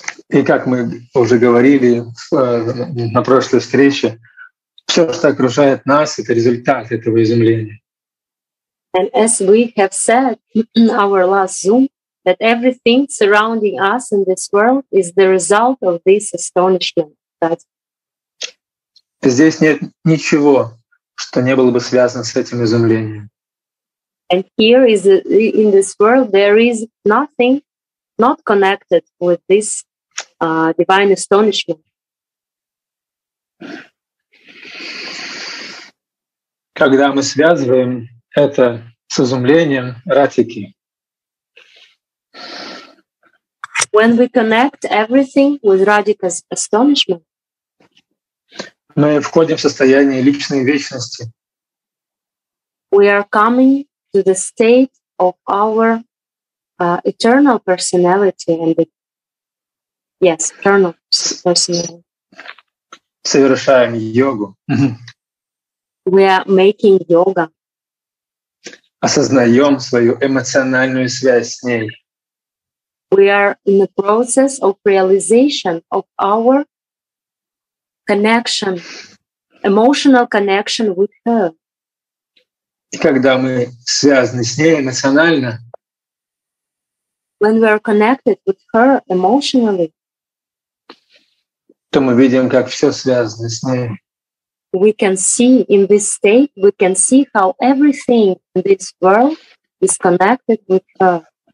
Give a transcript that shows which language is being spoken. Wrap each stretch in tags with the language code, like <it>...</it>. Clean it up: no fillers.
<ru>И как мы уже говорили на прошлой встрече, все, что окружает нас, это результат этого изумления.</ru> <en>And as we have said in our last Zoom, that everything surrounding us in this world is the result of this astonishment. That...</en> <ru>Здесь нет ничего, что не было бы связано с этим изумлением.</ru> <en>And here is in this world there is nothing not connected with this divine astonishment.</en> <ru>Когда мы связываем это с изумлением Радхики.</ru> <en>When we connect everything with Radhika's astonishment.</en> <ru>Мы входим в состояние личной вечности.</ru> <en>We are coming to the state of our eternal personality and the yes, eternal personality.</en> <ru>Совершаем йогу.</ru> <en>We are making yoga.</en> <ru>Осознаем свою эмоциональную связь с ней.</ru> <en>We are in the process of realization of our connection, emotional connection with her.</en> <ru>И когда мы связаны с ней эмоционально,</ru> <en>when we are connected with her emotionally,</en> <ru>то мы видим, как все связано с ней.</ru> <en>We can see in this state, we can see how everything in this world is connected with her.</en>